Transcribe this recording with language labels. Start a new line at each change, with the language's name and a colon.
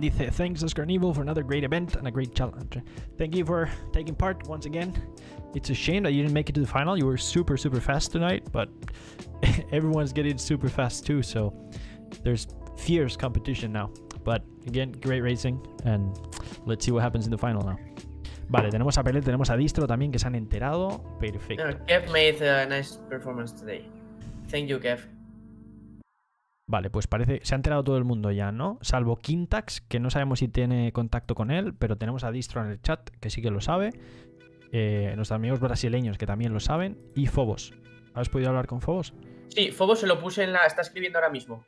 Spanish: Dice:
English: Thanks, Oscar and Evil, for another great event and a great challenge. Thank you for taking part once again. It's a shame that you didn't make it to the final. You were super, super fast tonight, but everyone's getting super fast too, so there's fierce competition now, but again, great racing, and let's see what happens in the final now.
Spanish: Vale, tenemos a Pelé, tenemos a Distro también, que se han enterado. Perfecto.
English: Kev made a nice performance today. Thank you, Kev.
Spanish: Vale, pues parece. Se ha enterado todo el mundo ya, ¿no? Salvo Quintax, que no sabemos si tiene contacto con él, pero tenemos a Distro en el chat, que sí que lo sabe. Nuestros amigos brasileños, que también lo saben. Y Phobos. ¿Has podido hablar con Phobos? Sí, Phobos se lo puse en la. Está escribiendo ahora mismo.